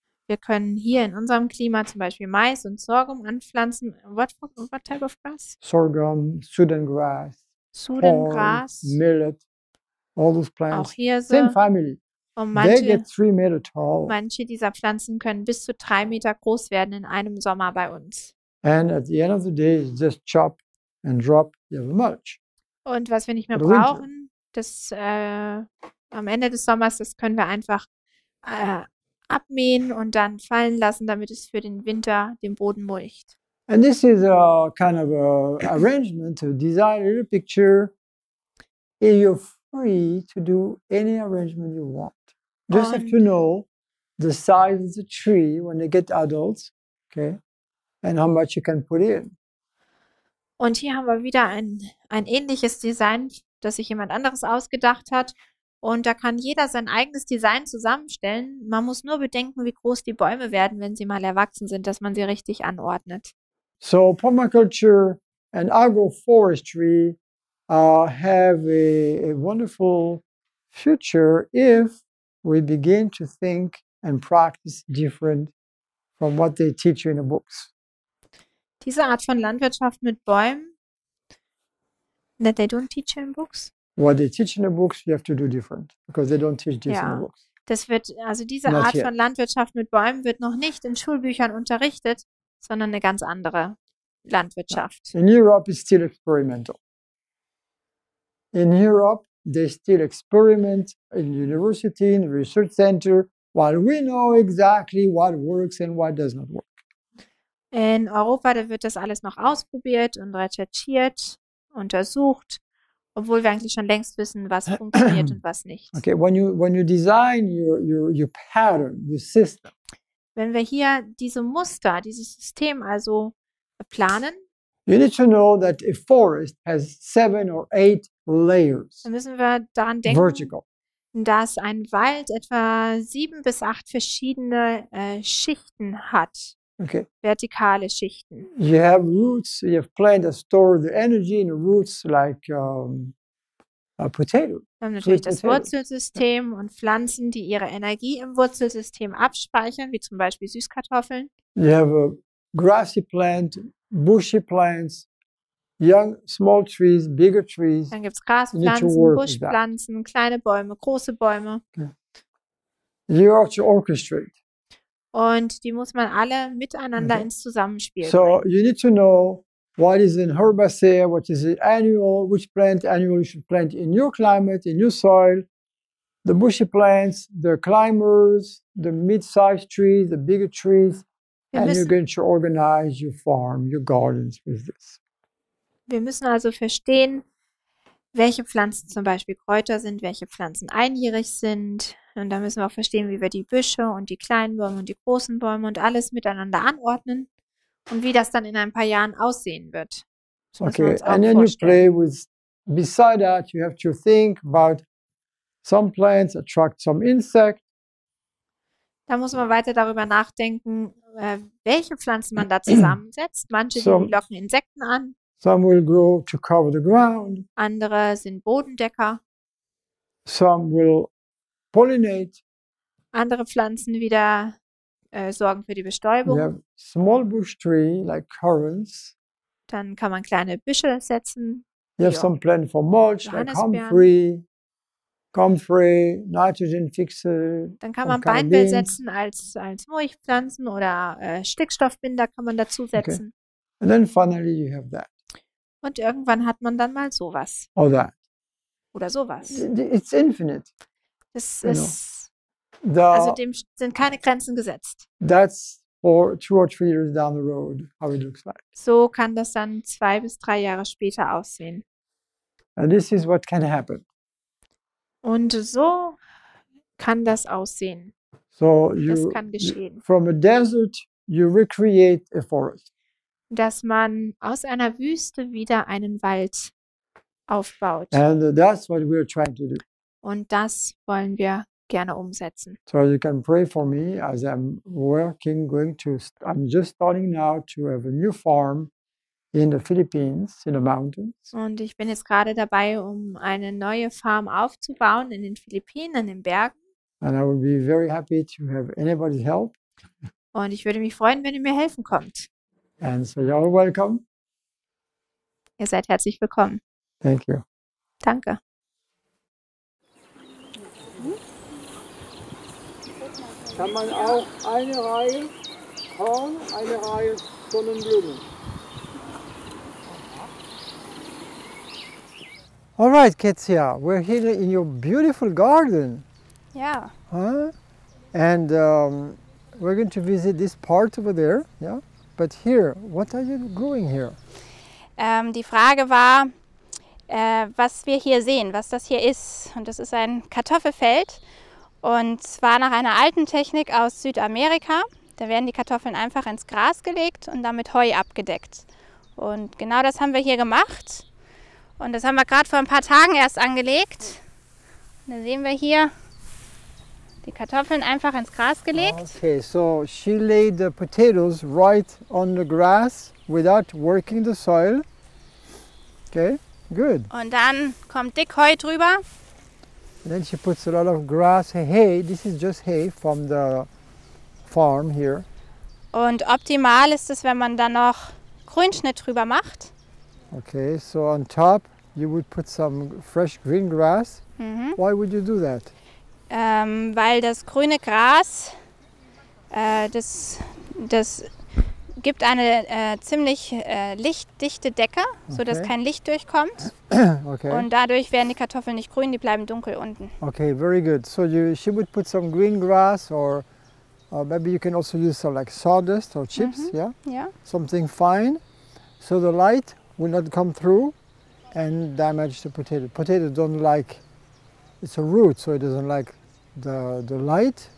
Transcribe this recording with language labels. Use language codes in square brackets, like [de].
[de] Wir können hier in unserem Klima zum Beispiel Mais und Sorghum anpflanzen. [en] What type of grass? Sorghum, Sudan grass. [de] Sudengras, [en] Millet, all those plants, [de] auch hier so, [en] same family. [de] Und manche, [en] they get 3 meter tall. [de] Manche dieser Pflanzen können bis zu 3 Meter groß werden in einem Sommer bei uns. [en] And at the end of the day, just chop and drop the mulch. [de] Und was wir nicht mehr brauchen, das am Ende des Sommers, das können wir einfach abmähen und dann fallen lassen, damit es für den Winter den Boden mulcht. [en] And this is a kind of a arrangement, a design, a little picture. You're free to do any arrangement you want. Just have to know the size of the tree when they get adults, okay, and how much you can put in. [de] Und hier haben wir wieder ein ähnliches Design, das sich jemand anderes ausgedacht hat. Und da kann jeder sein eigenes Design zusammenstellen. Man muss nur bedenken, wie groß die Bäume werden, wenn sie mal erwachsen sind, dass man sie richtig anordnet. [en] So permaculture and agroforestry have a wonderful future if we begin to think and practice different from what they teach you in the books. [de] Diese Art von Landwirtschaft mit Bäumen, [en] that they don't teach you in books? What they teach in the books, you have to do different, because they don't teach this [de] ja. [en] In the books. [de] Das wird, also diese [en] Not [de] Art [en] yet. [de] Von Landwirtschaft mit Bäumen wird noch nicht in Schulbüchern unterrichtet, sondern eine ganz andere Landwirtschaft. [en] In Europe is still experimental. In Europe, they still experiment in university, in research center, while we know exactly what works and what does not work. [de] In Europa, da wird das alles noch ausprobiert und recherchiert, untersucht, obwohl wir eigentlich schon längst wissen, was funktioniert und was nicht. [en] Okay, when you design your pattern, your system. [de] Wenn wir hier diese Muster, dieses System also planen, [en] you need to know that a forest has 7 or 8 layers. [de] Dann müssen wir daran denken, [en] vertical. [de] Dass ein Wald etwa 7 bis 8 verschiedene Schichten hat, [en] okay. [de] Vertikale Schichten. [en] You have roots, you have plants that store the energy in the roots like a potato. [de] Wir haben natürlich das Wurzelsystem und Pflanzen, die ihre Energie im Wurzelsystem abspeichern, wie zum Beispiel Süßkartoffeln. [en] You have a grassy plant, bushy plants, young, small trees, bigger trees. [de] Dann gibt es Graspflanzen, Buschpflanzen, kleine Bäume, große Bäume. [en] Okay. You have to orchestrate. [de] Und die muss man alle miteinander okay. ins Zusammenspiel so bringen. [en] So, you need to know. What is an herbaceae? What is an annual? Which plant annual you should plant in your climate, in your soil? The bushy plants, the climbers, the mid-sized trees, the bigger trees. And you're going to organize your farm, your gardens with this. [de] Wir müssen also verstehen, welche Pflanzen zum Beispiel Kräuter sind, welche Pflanzen einjährig sind. Und da müssen wir auch verstehen, wie wir die Büsche und die kleinen Bäume und die großen Bäume und alles miteinander anordnen. Und wie das dann in ein paar Jahren aussehen wird. Das [en] okay, [de] wir [en] and then [de] vorstellen. [en] You play with, beside that, you have to think about some plants attract some insects. [de] Da muss man weiter darüber nachdenken, welche Pflanzen man da zusammensetzt. Manche locken Insekten an. [en] Some will grow to cover the ground. [de] Andere sind Bodendecker. [en] Some will pollinate. [de] Andere Pflanzen wieder. Sorgen für die Bestäubung. [en] We have small bush tree, like currants. [de] Dann kann man kleine Büsche setzen. [en] You have some plant for mulch, like comfrey. Comfrey, Nitrogenfixe. [de] Dann kann man Beinbill setzen als Mulchpflanzen oder Stickstoffbinder kann man dazu setzen. [en] Okay. And then finally you have that. [de] Und irgendwann hat man dann mal sowas. [en] Or that. [de] Oder sowas. [en] It's infinite. [de] Es ist, also dem sind keine Grenzen gesetzt. [en] That's for 2 or 3 years down the road, how it looks like. [de] So kann das dann 2 bis 3 Jahre später aussehen. [en] And this is what can happen. [de] Und so kann das aussehen. [en] So you, [de] das kann geschehen. [en] From a desert, you recreate a forest. [de] Dass man aus einer Wüste wieder einen Wald aufbaut. [en] And that's what we're trying to do. [de] Und das wollen wir gerne umsetzen. [en] So you can pray for me as I'm working, I'm just starting now to have a new farm in the Philippines, in the mountains. [de] Und ich bin jetzt gerade dabei, um eine neue Farm aufzubauen in den Philippinen, in den Bergen. [en] And I would be very happy to have anybody's help. [de] Und ich würde mich freuen, wenn ihr mir helfen kommt. [en] And so you're all welcome. [de] Ihr seid herzlich willkommen. [en] Thank you. [de] Danke. Kann man auch eine Reihe Korn, eine Reihe Sonnenblumen. [en] All right, Kezia, we're here in your beautiful garden. Yeah. Huh? And we're going to visit this part over there. Yeah. But here, what are you growing here? [de] Die Frage war, was wir hier sehen, was das hier ist. Und das ist ein Kartoffelfeld. Und zwar nach einer alten Technik aus Südamerika. Da werden die Kartoffeln einfach ins Gras gelegt und damit Heu abgedeckt. Und genau das haben wir hier gemacht. Und das haben wir gerade vor ein paar Tagen erst angelegt. Da sehen wir hier die Kartoffeln einfach ins Gras gelegt. [en] Okay, so she laid the potatoes right on the grass without working the soil. Okay, good. [de] Und dann kommt dick Heu drüber. [en] And then she puts a lot of grass, hay, this is just hay from the farm here. [de] Und optimal ist es, wenn man dann noch Grünschnitt drüber macht. [en] Okay, so on top you would put some fresh green grass. Mm-hmm. Why would you do that? [de] Weil das grüne Gras, das gibt eine ziemlich lichtdichte Decke, sodass kein Licht durchkommt. [en] Okay. [de] Und dadurch werden die Kartoffeln nicht grün, die bleiben dunkel unten. [en] Okay, very good. So she would put some green grass or maybe you can also use some like sawdust or chips, mm-hmm. Yeah. Something fine, so the light will not come through and damage the potato. Potato don't like, it's a root, so it doesn't like the light.